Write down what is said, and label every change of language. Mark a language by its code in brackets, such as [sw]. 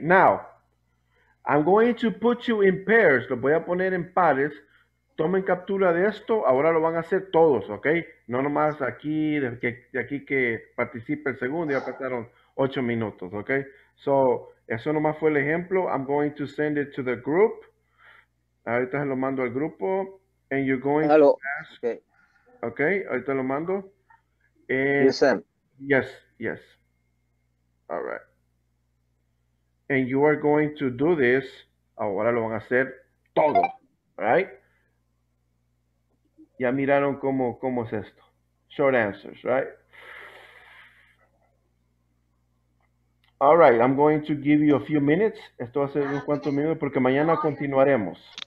[en] Now, I'm going to put you in pairs. [es] Lo voy a poner en pares. Tomen captura de esto. Ahora lo van a hacer todos, ¿ok? No nomás aquí, de aquí que participe el segundo. Ya pasaron 8 minutos, ¿ok? So, eso nomás fue el ejemplo. [en] I'm going to send it to the group. [es] Ahorita se lo mando al grupo. [en] And you're going Hello. To ask. Okay. [es] Ahorita lo mando. [en] Yes, Sam. Yes. All right. And you are going to do this. [es] Ahora lo van a hacer todo. [en] Right? [es] Ya miraron cómo es esto. [en] Short answers, right? All right, I'm going to give you a few minutes. [es] Esto va a ser unos cuantos minutos porque mañana continuaremos.